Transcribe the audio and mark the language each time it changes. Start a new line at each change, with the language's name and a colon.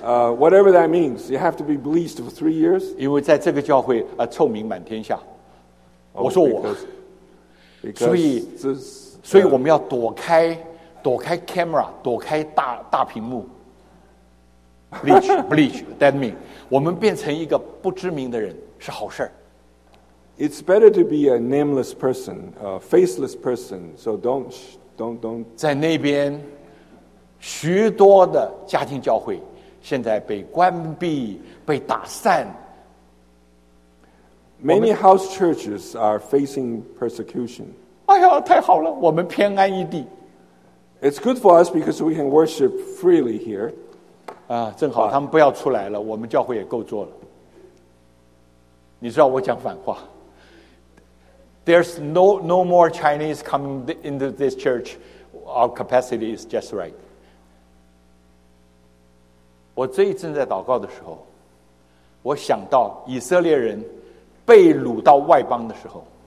English: Whatever that means, you have to be bleached for 3 years.
Chinese: 因为在这个教会，臭名满天下。我说我，所以。所以我们要躲开 camera， 躲开大屏幕。
English: Bleach, that mean，
Chinese: 我们变成一个不知名的人是好事儿。
English: It's better to be a nameless person, a faceless person. So don't.
Chinese: 在那边，许多的家庭教会现在被关闭、被打散。
English: Many house churches are facing persecution.
Chinese: 哎呀，太好了，我们偏安一地。
English: It's good for us because we can worship freely here.
Chinese: 啊，正好他们不要出来了，我们教会也够做了。你知道我讲反话。
English: There's no more Chinese coming into this church. Our capacity is just right.
Chinese: 我这一阵在祷告的时候，我想到以色列人被掳到外邦的时候。